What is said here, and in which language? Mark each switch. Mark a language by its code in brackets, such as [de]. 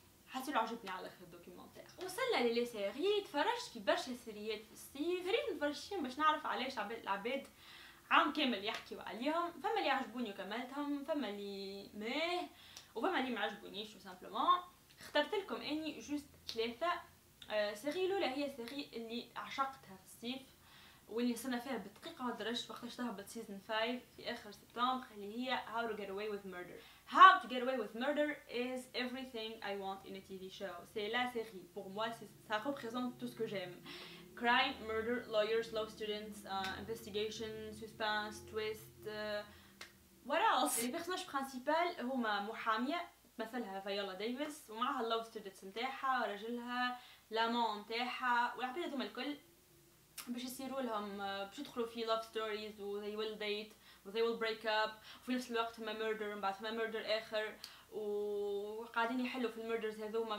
[ar] حتلو عجبني على اخر دوكيومونتير. وصلنا للي سيري، تفرجت في برشا سيريات في الصيف، ريت نتفرج شي باش نعرف علاش العباد عام كامل يحكيوا عليهم، فما اللي عجبوني وكملتهم، فما اللي ماه، وفما اللي ما عجبونيش. وسامبلومون اخترت لكم اني جوست ثلاثه سيري. الاولى هي سيري اللي عشقتها في الصيف واللي صرنا فيها بدقيقه ودرجت وقتاش تهبط سيزون 5 في اخر سبتمبر، اللي هي How to Get Away with Murder. [en] How to Get Away with Murder is everything I want in a TV show. [fr] C'est la série. Pour moi, ça représente tout ce que j'aime. [en] Crime, murder, lawyers, law students, investigation, suspense, twist. What else? [fr] Les personnages principaux [ar] هما محامية مثلها فيولا ديفيس ومعها law students نتاعها ورجلها لامون نتاعها وعبيدهم الكل باش يصيروا لهم باش يدخلوا في love stories و [en] they will date. They will break up. [ar] وفي نفس الوقت هما murder وبعد هما murder آخر وقاعدين يحلوا في المردرز هذوما.